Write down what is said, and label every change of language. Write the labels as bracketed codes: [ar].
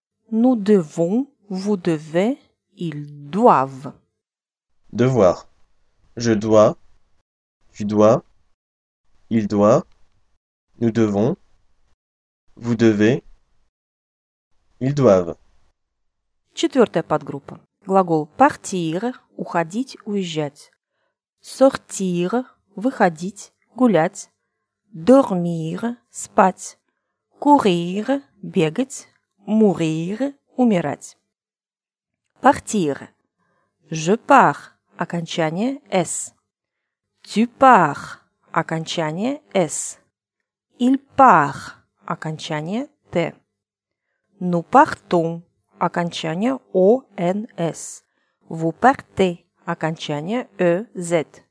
[fr] Nous devons, vous devez, ils doivent. Devoir. Je dois, tu dois, il doit, nous devons, vous devez, ils doivent. [ru] Четвертая подгруппа. Глагол partir, уходить, уезжать. Sortir, выходить, гулять. Dormir, спать, courir, бегать, mourir, умирать. [fr] Partir. Je pars, [ru] окончание [fr] s. Tu pars, [ru] окончание [fr] «s». Il part, окончание «t». Nous partons, [ru] окончание [fr] «ons». Vous partez, окончание «ez».